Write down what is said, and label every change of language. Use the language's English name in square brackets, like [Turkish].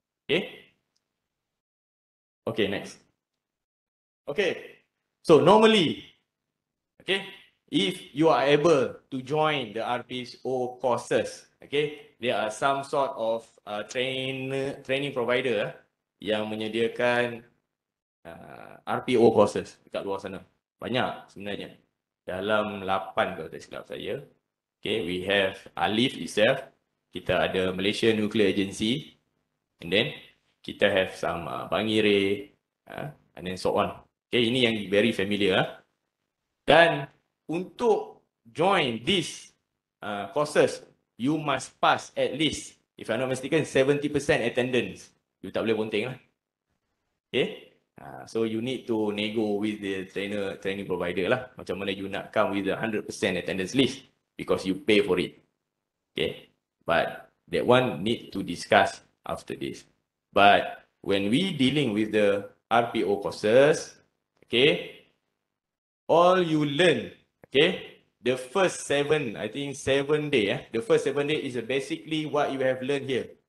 [English] Okay? Okay, next. Okay, so normally, okay, if you are able to join the RPSO courses, okay, there are some sort of training provider [Malay] yang menyediakan [English] RPO courses [Malay] dekat luar sana. Banyak sebenarnya. Dalam 8 kalau tak silap saya. [English] Okay, we have ALIF itself. [Malay] Kita ada Malaysia Nuclear Agency. [English] And then, [Malay] kita [English] have some Bangire and then so on. Okay, [Malay] ini yang [English] very familiar. [Malay] Dan untuk [English] join this courses, you must pass at least, if I'm not mistaken, 70% attendance. [Malay] You tak boleh bonteng lah. [English] Okay? So you need to nego with the training provider lah. [Malay] Macam mana [English] you [Malay] nak [English] come with the 100% attendance list because you pay for it. Okay? But that one need to discuss after this. But when we dealing with the RPO courses, okay, all you learn, okay, the first seven, I think 7 days, the first 7 days is basically what you have learned here.